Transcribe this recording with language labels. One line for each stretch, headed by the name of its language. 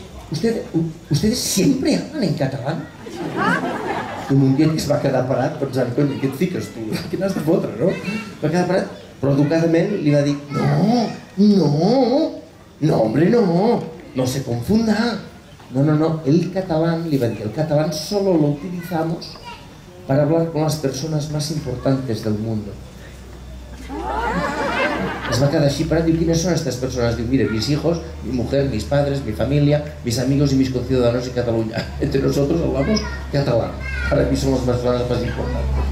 Spanish: ¿Ustedes siempre hablan en catalán?
Catalan: I un dia que es va quedar parat pensant, cony, què et fiques tu? Què n'has de fotre, no? Va quedar parat, però educadament li va dir,
Spanish: no, no, no, hombre, no, no se confunda. No, no, no, el catalán,
Catalan: li va dir,
Spanish: el catalán solo lo utilizamos para hablar con las personas más importantes del mundo.
Catalan: Es va quedar així parat, diu, quines són aquestes persones?
Spanish: Diu, mira, mis hijos, mi mujer, mis padres, mi familia, mis amigos y mis conciudadanos de Cataluña. Entre nosotros hablamos catalán. Para mí son las personas más importantes.